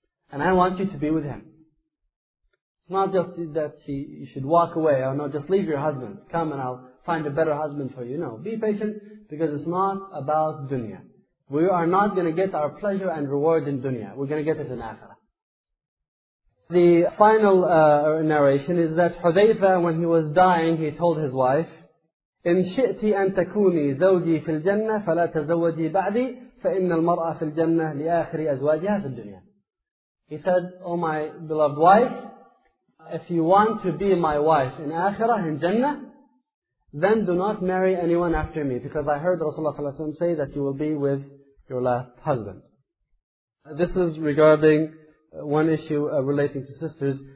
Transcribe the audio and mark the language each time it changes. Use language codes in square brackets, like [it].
[en] And I want you to be with him. Not just that you should walk away, or no, just leave your husband. Come and I'll find a better husband for you. No, be patient, because it's not about dunya. We are not going to get our pleasure and reward in dunya. We're going to get it in akhirah. The final narration is that Hudhayfa, when he was dying, he told his wife, [ar] إِن شِئْتِ أَن تَكُونِي زَوْجِي فِي الْجَنَّةِ فَلَا تَزَوَّجِي بَعْدِي فَإِنَّ الْمَرْأَ فِي الْجَنَّةِ لِآخِرِ أَزْوَاجِهَا فِي الدُّنْيَا. [en] He said, Oh my beloved wife, if you want to be my wife in akhirah, in Jannah, then do not marry anyone after me, because I heard Rasulullah ﷺ say that you will be with your last husband. This is regarding one issue relating to sisters.